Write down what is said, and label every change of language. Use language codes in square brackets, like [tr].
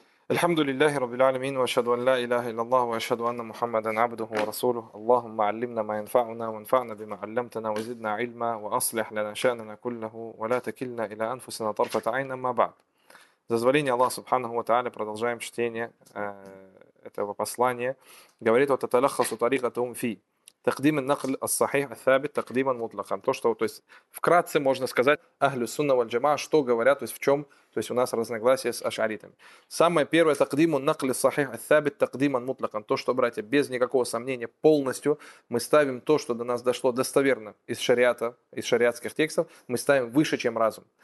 [ar] الحمد لله رب العالمين، وأشهد أن لا إله إلا الله، وأشهد أن محمدا عبده ورسوله. اللهم علمنا ما ينفعنا، وانفعنا بما علمتنا، وزدنا علما، وأصلح لنا شأننا كله، ولا تكلنا إلى أنفسنا طرفة عين. أما بعد، [ru] зазволение [ar] الله سبحانه وتعالى، [ru] продолжаем чтение этого послания. Говорит вот [ar] تتلخص طريقتهم في تقديم النقل الصحيح الثابت تقديما مطلقا. [ru] То что, то есть вкратце можно сказать, Ахлю Сунна валь Джамаа, что говорят, то есть в чем, то есть у нас разногласия с ашаритами. Самое первое, [ar] тақдиму нақли сахих ас-сабит тақдиман мутлақан, [ru] то, что, братья, без никакого сомнения, полностью мы ставим то, что до нас дошло достоверно из шариата, из шариатских текстов, мы ставим выше, чем разум.